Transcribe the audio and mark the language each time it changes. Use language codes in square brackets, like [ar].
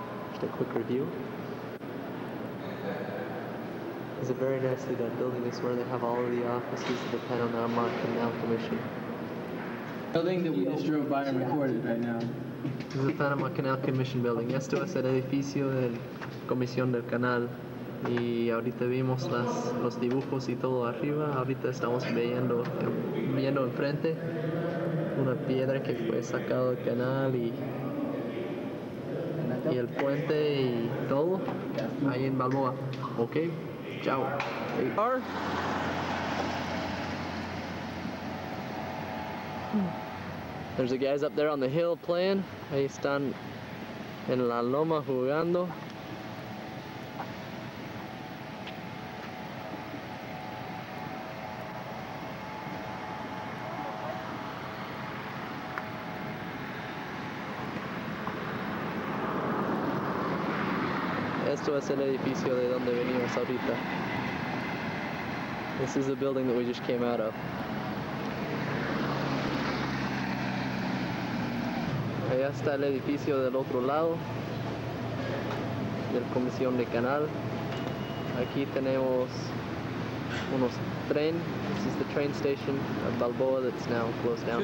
[en] Just a quick review. It's a very nicely done building. It's where they have all of the offices of the Panama Canal Commission. The building that we just drove by and recorded right now. This is the Panama Canal Commission building. [es] Esto es el edificio de Comisión del Canal. Y ahorita vimos los dibujos y todo arriba. Ahorita estamos viendo enfrente una piedra que fue sacada del canal y el puente y todo ahí en Balboa. Ok. Ciao. [en] There you are. There's the guys up there on the hill playing. [es] Ahí están en la loma jugando. Esto es el edificio de donde venimos ahorita. [en] This is the building that we just came out of. [es] Allá está el edificio del otro lado, del Comisión de Canal. Aquí tenemos unos tren. [en] This is the train station of Balboa that's now closed down.